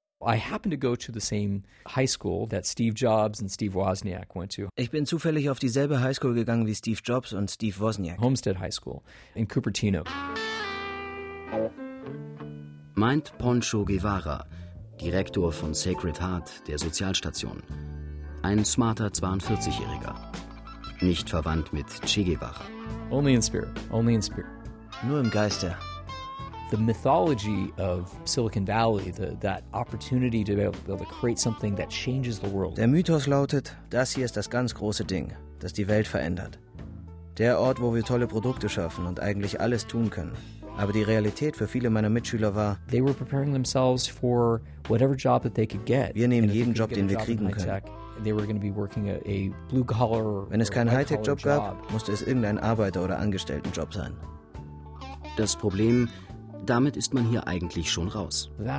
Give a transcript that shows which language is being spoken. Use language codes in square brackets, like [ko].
[en] I happen to go to the same high school that Steve Jobs and Steve Wozniak went to. [de] Ich bin zufällig auf dieselbe High School gegangen wie Steve Jobs und Steve Wozniak. [en] Homestead High School in Cupertino. [de] Meint Poncho Guevara, Direktor von Sacred Heart, der Sozialstation. Ein smarter 42-Jähriger. Nicht verwandt mit Che Guevara. [en] Only in spirit, only in spirit. [de] Nur im Geiste. [en] The mythology of Silicon Valley, that opportunity to be able to create something that changes the world. [de] Der Mythos lautet, das hier ist das ganz große Ding, das die Welt verändert. Der Ort, wo wir tolle Produkte schaffen und eigentlich alles tun können. Aber die Realität für viele meiner Mitschüler war, [en] they were preparing themselves for whatever job that they could get. [de] Wir nehmen jeden Job, den wir kriegen können. [en] They were going to be working a blue collar. [de] Wenn es keinen Hightech Job gab, musste es irgendein Arbeiter oder Angestelltenjob sein. Das Problem, damit ist man hier eigentlich schon raus.